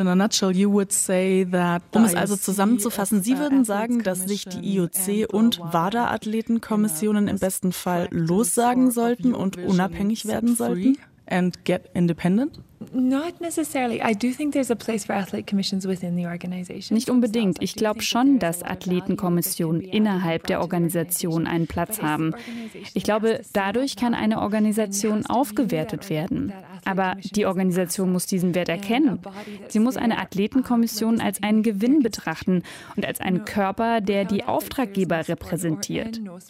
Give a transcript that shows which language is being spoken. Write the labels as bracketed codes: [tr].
[de] Um es also zusammenzufassen, Sie würden sagen, dass sich die IOC und WADA-Athletenkommissionen im besten Fall lossagen sollten und unabhängig werden sollten [en] and get independent? Not necessarily. I do think there's a place for athlete commissions within the organization. [de] Nicht unbedingt. Ich glaube schon, dass Athletenkommissionen innerhalb der Organisation einen Platz haben. Ich glaube, dadurch kann eine Organisation aufgewertet werden. Aber die Organisation muss diesen Wert erkennen. Sie muss eine Athletenkommission als einen Gewinn betrachten und als einen Körper, der die Auftraggeber repräsentiert.